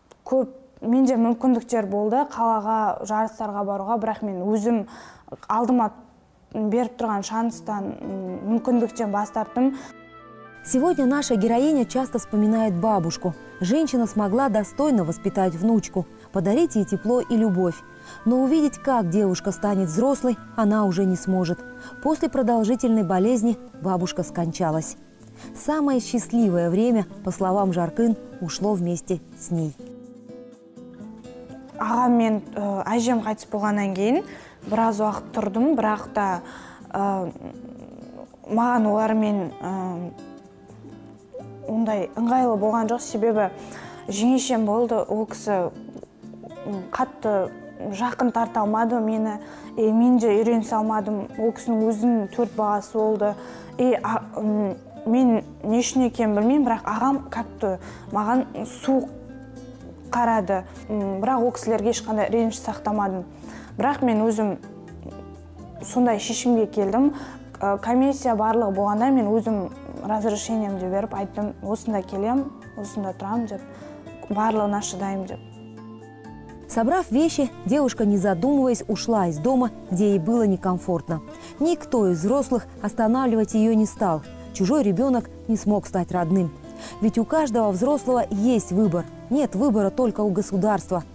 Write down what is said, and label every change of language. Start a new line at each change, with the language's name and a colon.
Kazakh: Көп менде мүмкіндіктер болды қалаға жарыстарға баруға, бірақ мен өзім алдыма беріп тұрған шанстан мүмкіндіктен бас тарттым.
Russian: Сегодня наша героиня часто вспоминает бабушку. Женщина смогла достойно воспитать внучку, подарить ей тепло и любовь. Но увидеть, как девушка станет взрослой, она уже не сможет. После продолжительной болезни бабушка скончалась. Самое счастливое время, по словам Жаркын, ушло вместе с ней.
Kazakh: Ага, мен әжем қайтыс болғаннан кейін біраз уақыт тұрдым, бірақ та маған олармен ондай ыңғайлы болған жоқ, себебі жеңешем болды, ол кісі қатты жақын тарта алмады мені, мен де үйренісе алмадым, ол кісінің өзінің төрт баласы болды. Мен не үшін екенін білмеймін, бірақ ағам қатты маған суық қарады. Бірақ ол кісілерге ешқандай реніш сақтамадым. Бірақ мен өзім сондай шешімге келдім. Комиссия барлығы болғанда мен өзім разрешениемді беріп айттым, осында келем, осында тұрам деп, барлығына шыдайым деп.
Russian: Собрав вещи, девушка, не задумываясь, ушла из дома, где ей было некомфортно. Никто из взрослых останавливать ее не стал. Чужой ребенок не смог стать родным. Ведь у каждого взрослого есть выбор. Нет выбора только у государства.